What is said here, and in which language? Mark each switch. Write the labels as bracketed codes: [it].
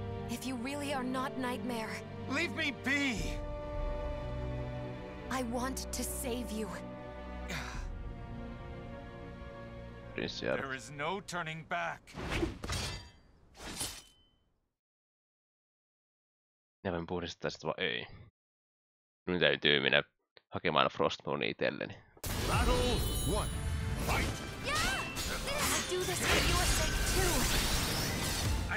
[en] If you really are not Nightmare... Leave me be! I want to save you. There is no turning back. [fi] Ja voin puhdistaa sitä, vaan ei. Minun täytyy mennä hakemaan Frostmourne itselleni. [en] Battle 1. Fight! Do this for your sake, too!